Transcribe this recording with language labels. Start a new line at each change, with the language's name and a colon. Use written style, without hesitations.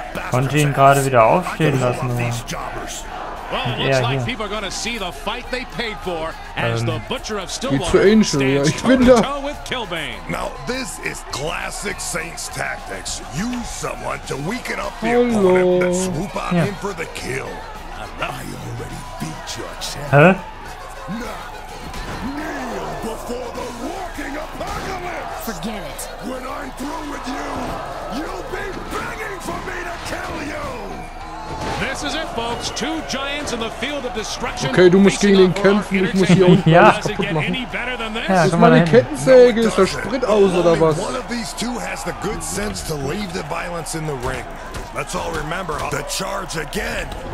German: Konnte ihn gerade wieder aufstehen lassen, oder?
English: Well, it looks like people are gonna see the fight they paid for as the Butcher of Stillwater stands toe-to-toe with Kilbane. Now, this is classic Saints tactics. Use someone to weaken up the opponent and swoop on him for the kill. I already beat your champ. Huh? Now, kneel before the walking apocalypse! Forget it. When I'm through with you, you'll be begging for me to kill you! This is it, folks. Two giants in the field of destruction.
German: Okay, du musst gegen ihn kämpfen. Ich muss hier unten alles kaputt machen. Ja, ist meine Kettensäge, ist der Sprit aus oder was?
English: One of these two has the good sense to leave the violence in the ring. Let's all remember the charge again.